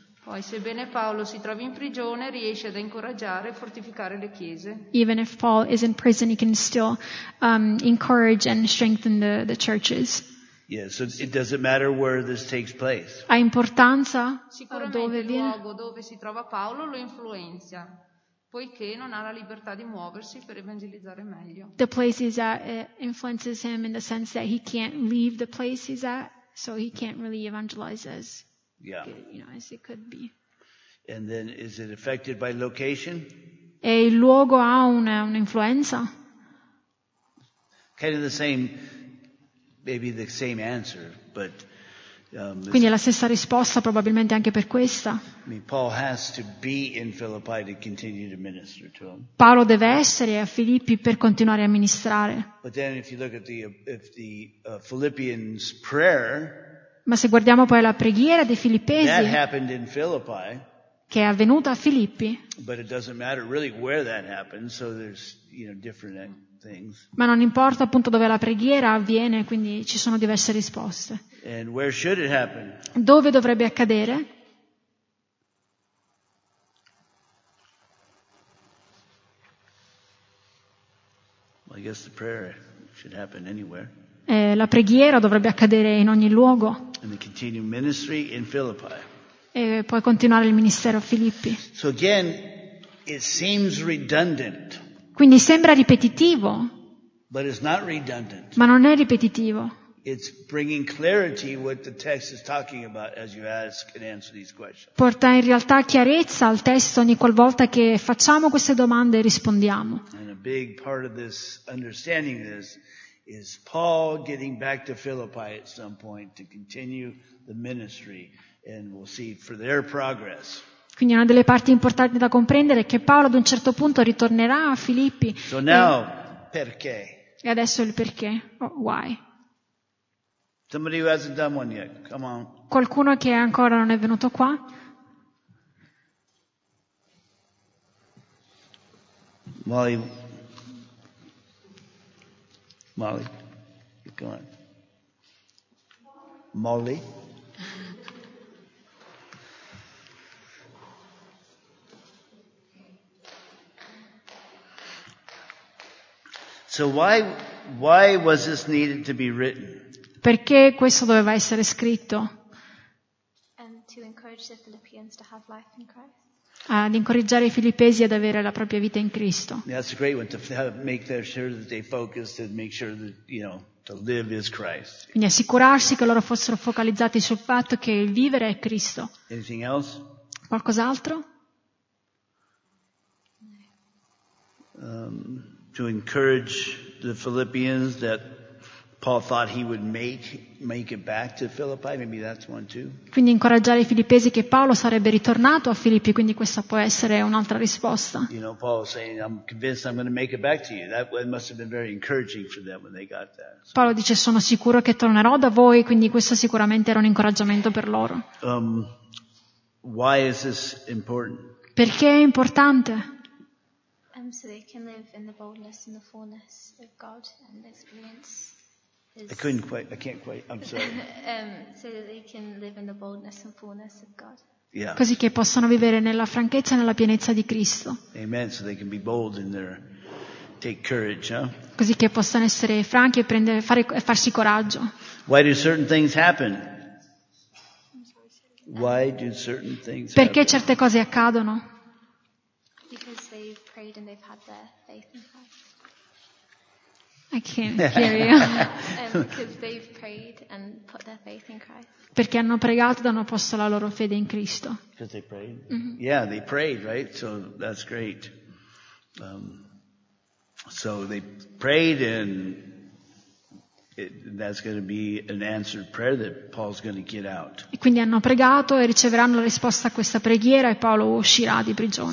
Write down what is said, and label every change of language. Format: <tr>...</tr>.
<it>Poi, sebbene Paolo si trovi in prigione, riesce ad incoraggiare e fortificare le chiese.</it> <en>Even if Paul is in prison, he can still encourage and strengthen the churches. Yeah, so it doesn't matter where this takes place.</en> <it>Ha importanza dove viene? Il luogo dove si trova Paolo lo influenza, poiché non ha la libertà di muoversi per evangelizzare meglio.</it> <en>The place he's at influences him in the sense that he can't leave the place he's at, so he can't really evangelize as, as it could be. And then is it affected by location?</en> <it>E il luogo ha un'influenza?</it> <en>Kind of the same. Maybe the same answer, but,</en> <it>quindi è la stessa risposta probabilmente anche per questa.</it> <en>I mean, Paul has to be in Philippi to continue to minister to him.</en> <it>Paolo deve essere a Filippi per continuare a ministrare.</it> <en>But then if you look at the Philippians prayer,</en> <it>ma se guardiamo poi la preghiera dei Filippesi,</it> <en>that happened in Philippi,</en> <it>che è avvenuta a Filippi,</it> <en>but it doesn't matter really where that happened, so there's, you know, different things.</en> <it>Ma non importa appunto dove la preghiera avviene, quindi ci sono diverse risposte.</it> <en>And where should it happen?</en> <it>Dove dovrebbe accadere?</it> <en>Well, I guess the prayer should happen anywhere.</en> <it>La preghiera dovrebbe accadere in ogni luogo.</it> <en>And the continued ministry in Philippi.</en> <it>E poi continuare il ministero a Filippi.</it> <en>So again, it seems redundant.</en> <it>Quindi sembra ripetitivo.</it> <en>But it's not redundant.</en> <it>Ma non è ripetitivo.</it> <en>It's bringing clarity what the text is talking about as you ask and answer these questions.</en> <it>Porta in realtà chiarezza al testo ogni qualvolta che facciamo queste domande e rispondiamo.</it> <en>And a big part of this understanding this is Paul getting back to Philippi at some point to continue the ministry, and we'll see for their progress.</en> <it>Quindi una delle parti importanti da comprendere è che Paolo ad un certo punto ritornerà a Filippi.</it> <en>So now,</en> <it>perché? E adesso il perché.</it> <en>Oh, why? Somebody who hasn't done one yet. Come on.</en> <it>Qualcuno che ancora non è venuto qua? Molly,</it> <en>Molly, keep going. Molly. So why was this needed to be written?</en> <it>Perché questo doveva essere scritto?</it> <en>To encourage the Philippians to have life in Christ.</en> <it>Ad incoraggiare i filippesi ad avere la propria vita in Cristo.</it> <en>That's a great one, to make sure that they focus and make sure that, you know, to live is Christ.</en> <it>Quindi assicurarsi che loro fossero focalizzati sul fatto che il vivere è Cristo.</it> <en>Anything else?</en> <it>Qualcos'altro?</it> <en>To encourage the Philippians that Paul thought he would make it back to Philippi, maybe that's one too.</en> <it>Quindi incoraggiare i filippesi che Paolo sarebbe ritornato a Filippi, quindi questa può essere un'altra risposta.</it> <en>You know, Paul saying, "I'm convinced I'm going to make it back to you." That must have been very encouraging for them when they got that.</en> <it>Paolo dice, "Sono sicuro che tornerò da voi," quindi questo sicuramente era un incoraggiamento per loro.</it> <en>Why is this important?</en> <it>Perché è importante?</it> <en>So they can live in the boldness and the fullness of God and experience. So that they can live in the boldness and fullness of God. Yeah.</en> <it>Così che possano vivere nella franchezza e nella pienezza di Cristo.</it> <en>Amen. So they can be bold in their take courage, huh?</en> <it>Così che possano essere franchi e prendere, fare e farsi coraggio.</it> <en>Why do certain things happen? Why do certain things happen?</en> <it>Perché certe cose accadono?</it> <en>Because they've prayed and they've had their faith in Christ. I can't hear you. Because they've prayed and put their faith in Christ.</en> <it>Perché hanno pregato e hanno posto la loro fede in Cristo.</it> <en>Because they prayed. Mm-hmm. Yeah, they prayed, right? So that's great. So they prayed and that's going to be an answered prayer that Paul's going to get out.</en> <it>E quindi hanno pregato e riceveranno la risposta a questa preghiera e Paolo uscirà di prigione.</it>